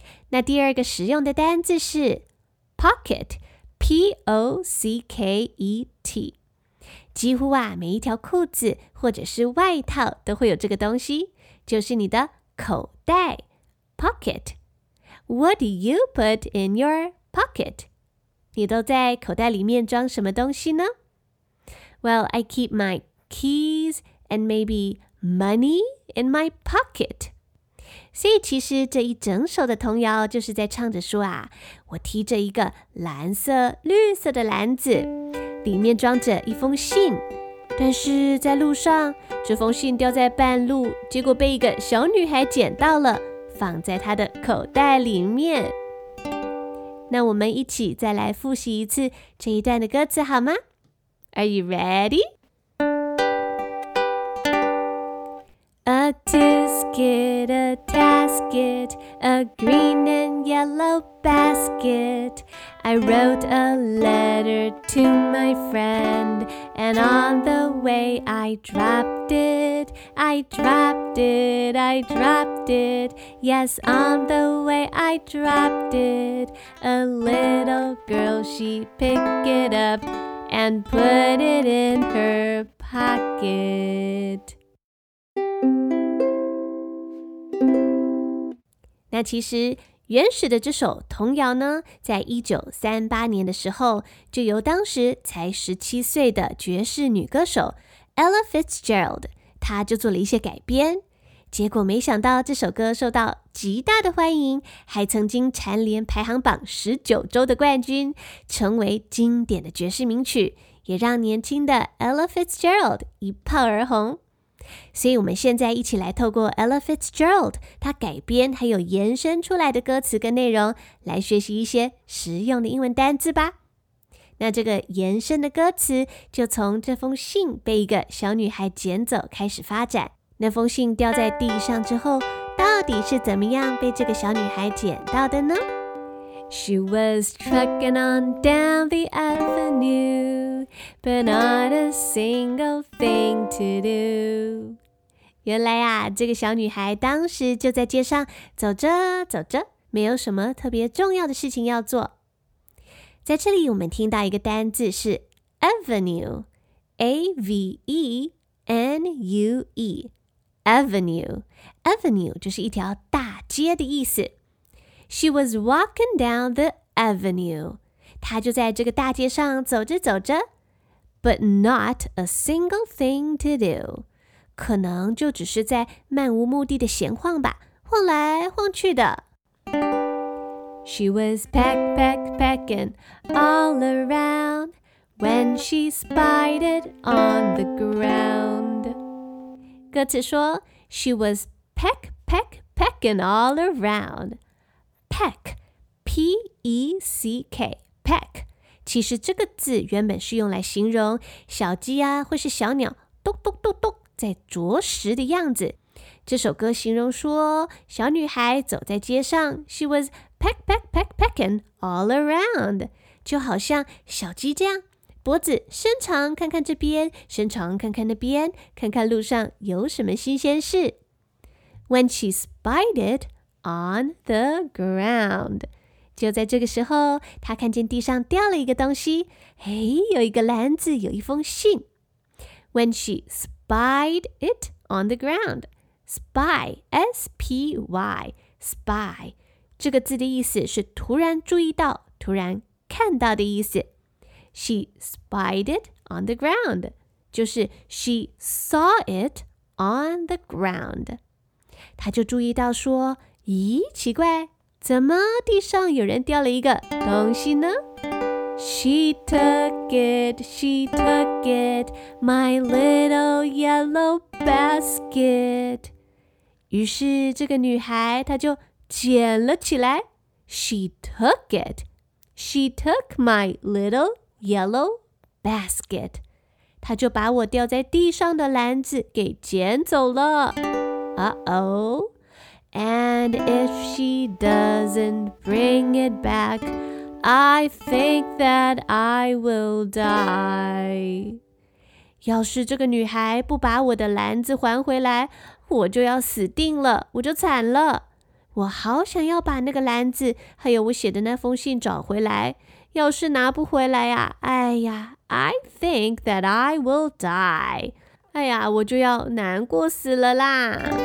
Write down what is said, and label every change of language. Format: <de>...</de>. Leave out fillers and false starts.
<zh>那第二个实用的单字是 pocket，P-O-C-K-E-T。几乎啊，每一条裤子或者是外套都会有这个东西，就是你的口袋 ，pocket。</zh> <en>What do you put in your pocket？</en> <zh>你都在口袋里面装什么东西呢</zh> <en>？Well, I keep my keys and maybe。 Money in my pocket.</en> <zh>所以其实这一整首的童谣就是在唱着说啊，我提着一个蓝色、绿色的篮子，里面装着一封信，但是在路上，这封信掉在半路，结果被一个小女孩捡到了，放在她的口袋里面。那我们一起再来复习一次这一段的歌词好吗？</zh> <en>Are you ready? A disket, a tasket, a green and yellow basket. I wrote a letter to my friend, and on the way I dropped it. I dropped it, I dropped it. Yes, on the way I dropped it. A little girl, she picked it up and put it in her pocket.</en> <zh>那其实原始的这首童谣呢，在1938年的时候，就由当时才17岁的爵士女歌手 Ella Fitzgerald， 她就做了一些改编。结果没想到这首歌受到极大的欢迎，还曾经蝉联排行榜19周的冠军，成为经典的爵士名曲，也让年轻的 Ella Fitzgerald 一炮而红。所以我们现在一起来透过 Ella Fitzgerald 她改编还有延伸出来的歌词跟内容来学习一些实用的英文单字吧。那这个延伸的歌词就从这封信被一个小女孩捡走开始发展。那封信掉在地上之后，到底是怎么样被这个小女孩捡到的呢？</zh> <en>She was trucking on down the avenue, but not a single thing to do.</en> <zh>原来啊，这个小女孩当时就在街上走着走着，没有什么特别重要的事情要做。在这里我们听到一个单字是 avenue， A-V-E-N-U-E， avenue， avenue 就是一条大街的意思。</zh> <en>She was walking down the avenue，</en> <zh>她就在这个大街上走着走着。</zh> <en>but not a single thing to do.</en> <zh>可能就只是在漫无目的的闲晃吧，晃来晃去的。</zh> <en>She was peck, peck, pecking all around when she spied it on the ground.</en> <zh>歌词说</zh> <en>She was peck, peck, pecking all around. Peck, P-E-C-K, peck.</en> <zh>其实这个字原本是用来形容小鸡啊或是小鸟咚咚咚咚在啄食的样子。这首歌形容说小女孩走在街上</zh> <en>She was peck, peck, peck, pecking all around.</en> <zh>就好像小鸡这样脖子伸长看看这边伸长看看那边看看路上有什么新鲜事。</zh> <en>When she spied it on the ground.</en> <zh>就在这个时候她看见地上掉了一个东西嘿有一个篮子有一封信。</zh> <en>When she spied it on the ground. Spy, S-P-Y, spy.</en> <zh>这个字的意思是突然注意到突然看到的意思。</zh> <en>She spied it on the ground.</en> <zh>就是</zh> <en>she saw it on the ground.</en> <zh>她就注意到说咦奇怪怎么地上有人掉了一个东西呢</zh> <en>She took it, she took it, my little yellow basket.</en> <zh>于是这个女孩她就捡了起来</zh> <en>She took it, she took my little yellow basket.</en> <zh>她就把我掉在地上的篮子给捡走了 Uh-oh.</zh> <en>And if she doesn't bring it back, I think that I will die.</en> <zh>要是这个女孩不把我的篮子还回来，我就要死定了，我就惨了。我好想要把那个篮子还有我写的那封信找回来。要是拿不回来呀、啊，哎呀 ，</zh> <en>I think that I will die.</en> <zh>哎呀，我就要难过死了啦。</zh>